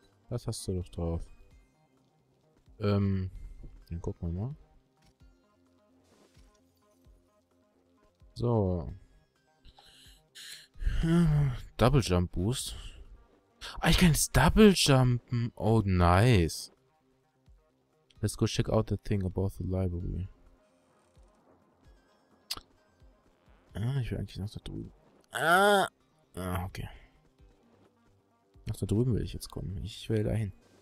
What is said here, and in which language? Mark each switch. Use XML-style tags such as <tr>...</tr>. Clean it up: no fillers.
<de>Das hast du doch drauf. Dann gucken wir mal. So.</de> <en>Double Jump Boost.</en> <de>Ah, ich kann jetzt Double Jumpen.</de> <en>Oh, nice. Let's go check out the thing about the library.</en> <de>Ah, ich will eigentlich noch da drüben. Ah, okay. Nach da drüben will ich jetzt kommen. Ich will dahin.</de>